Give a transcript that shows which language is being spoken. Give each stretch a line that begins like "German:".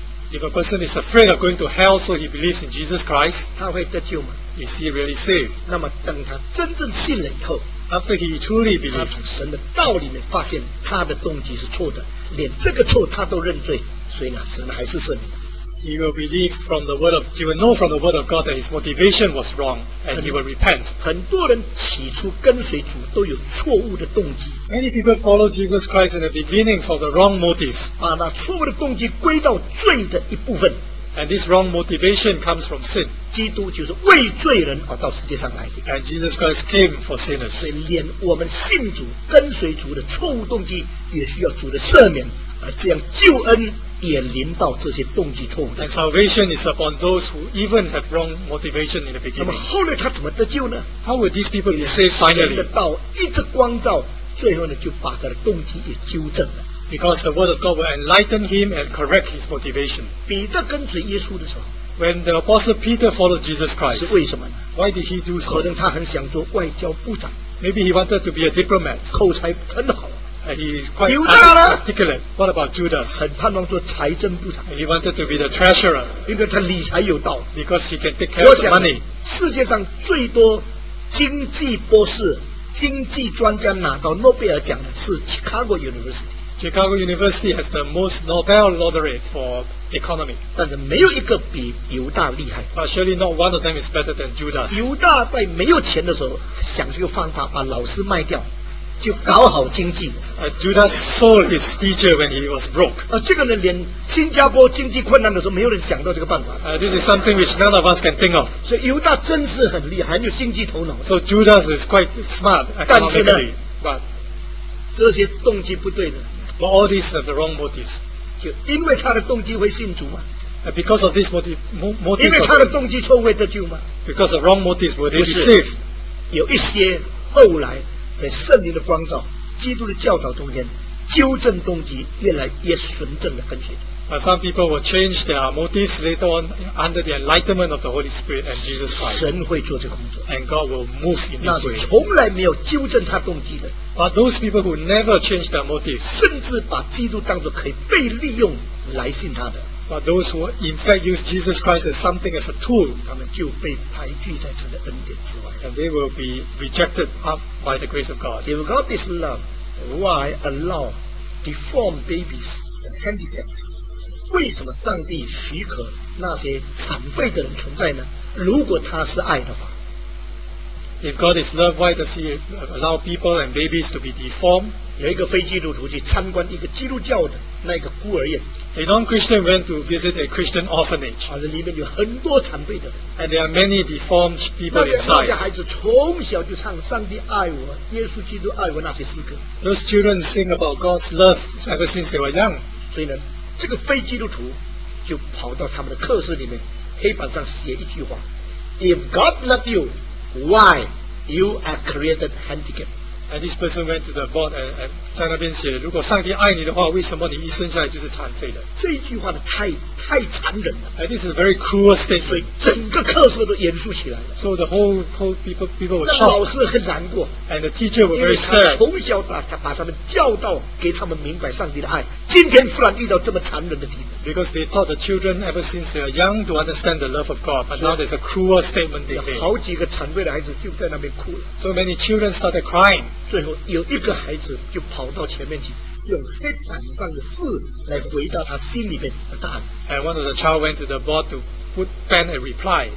English: If a person is afraid of going to hell, so he believes in Jesus Christ,
Chinese: 他会得救吗？
English: Is he really saved?
Chinese: 那么等他真正信了以后，
English: after he truly believes,
Chinese: 他从神的道里面发现他的动机是错的，连这个错他都认罪，所以呢，神还是赦免。
English: He will believe from the word of, he will know from the word of God that his motivation was wrong, and he will repent.
Chinese: 很多人起初跟随主都有错误的动机。
English: Many people followed Jesus Christ in the beginning for the wrong motives.
Chinese: 把那错误的动机归到罪的一部分。
English: And this wrong motivation comes from sin.
Chinese: 基督就是为罪人而到世界上来的。
English: And Jesus Christ came for sinners.
Chinese: 所以连我们信主跟随主的错误动机也需要主的赦免，而这样救恩。也临到这些动机错误的。
English: And salvation is upon those who even have wrong motivation in the beginning.
Chinese: 那么后来他怎么得救呢？
English: How will these people be saved finally?
Chinese: 神的道一直光照，最后呢就把他的动机也纠正了。
English: Because the word of God will enlighten him and correct his motivation.
Chinese: 彼得跟随耶稣的时候，
English: When the apostle Peter followed Jesus Christ,
Chinese: 是为什么呢？
English: Why did he do so?
Chinese: 可能他很想做外交部长。
English: Maybe he wanted to be a diplomat.
Chinese: 口才很好。
English: He is quite articulate. What about Judas?
Chinese: 很盼望做财政部长。
English: He wanted to be the treasurer.
Chinese: 因为他理财有道。
English: Because he can take care of the money.
Chinese: 世界上最多经济博士、经济专家拿到诺贝尔奖的是 Chicago University。
English: Chicago University has the most Nobel laureate for economy.
Chinese: 但是没有一个比犹大厉害。
English: But surely not one of them is better than Judas.
Chinese: 犹大在没有钱的时候，想这个方法把老师卖掉，就搞好经济。
English: Judas sold his teacher when he was broke.
Chinese: 这个人连新加坡经济困难的时候，没有人想到这个办法。
English: This is something which none of us can think of.
Chinese: 所以犹大真是很厉害，很有经济头脑。
English: So Judas is quite smart economically. But
Chinese: 这些动机不对的。
English: But all these are the wrong motives.
Chinese: 就因为他的动机会信主嘛。
English: Because of this motive, motive.
Chinese: 因为他的动机错会得救嘛。
English: Because of wrong motives, will they be saved?
Chinese: 有一些后来在圣灵的光照、基督的教导中间，纠正动机，越来越纯正的跟随。
English: But some people will change their motives later on under the enlightenment of the Holy Spirit and Jesus Christ.
Chinese: 神会做这个工作。
English: And God will move in this way.
Chinese: 那从来没有纠正他动机的。
English: But those people who never change their motives,
Chinese: 甚至把基督当作可以被利用来信他的。
English: But those who in fact use Jesus Christ as something as a tool,
Chinese: 他们就被排拒在神的恩典之外。
English: And they will be rejected up by the grace of God. If God is love, why allow deformed babies and handicapped?
Chinese: 为什么上帝许可那些残废的人存在呢？如果他是爱的话
English: ，If God is love, why does He allow people and babies to be deformed?
Chinese: 有一个非基督徒去参观一个基督教的那个孤儿院
English: ，A non-Christian went to visit a Christian orphanage.
Chinese: 而里面有很多残废的人
English: ，And there are many deformed people inside.
Chinese: 那些孩子从小就唱“上帝爱我，耶稣基督爱我”那些诗歌
English: ，Those children sing about God's love ever since they were young.
Chinese: 所以呢？这个非基督徒就跑到他们的课室里面，黑板上写一句话 ：
English: “If God loved you, why you are created handicapped？” And this person went to the board and
Chinese: 在那边写：“如果上帝爱你的话，为什么你一生下来就是残废的？” 这一句话呢，太残忍了。
English: And this is a very cruel statement.
Chinese: 所以整个课室都严肃起来了。
English: So the whole people were shocked.
Chinese: 那老师很难过。
English: And the teacher was very sad.
Chinese: 因为他从小把他们教导，给他们明白上帝的爱。今天忽然遇到这么残忍的题目。
English: Because they taught the children ever since they are young to understand the love of God, but now there's a cruel statement they made.
Chinese: 好几个残废的孩子就在那边哭了。
English: So many children started crying.
Chinese: 最后有一个孩子就跑到前面去，用黑板上的字来回答他心里面的答案。
English: And one of the child went to the board to put pen a reply.